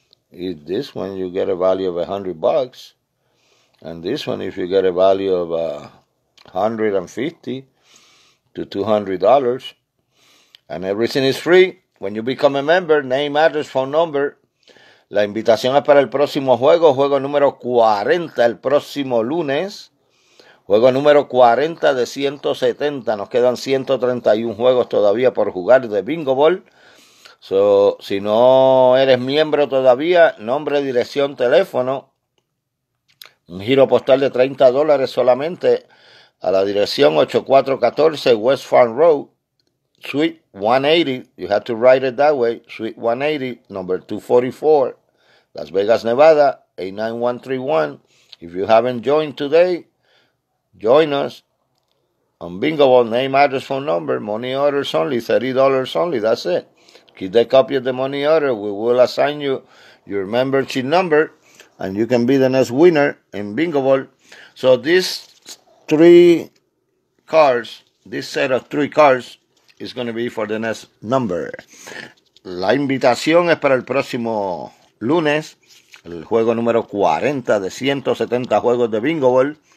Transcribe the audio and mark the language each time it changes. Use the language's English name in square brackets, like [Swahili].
[English] If this one, you get a value of $100. And this one, if you get a value of $150 to $200, and everything is free, when you become a member, name, address, phone number. [Spanish] La invitación es para el próximo juego, juego número 40, el próximo lunes. Juego número 40 de 170. Nos quedan 131 juegos todavía por jugar de Bingo Ball. So, si no eres miembro todavía, nombre, dirección, teléfono, un giro postal de $30 solamente a la dirección 8414 West Farm Road, Suite 180. [English] You have to write it that way. Suite 180, number 244, Las Vegas, Nevada, 89131. If you haven't joined today, join us on Bingo Ball, name, address, phone number, money orders only, $30 only, that's it. Keep the copy of the money order. We will assign you your membership number, and you can be the next winner in Bingo Ball. So these three cards, this set of three cards, is going to be for the next number. [Spanish] La invitación es para el próximo lunes, el juego número 40 de 170 juegos de Bingo Ball.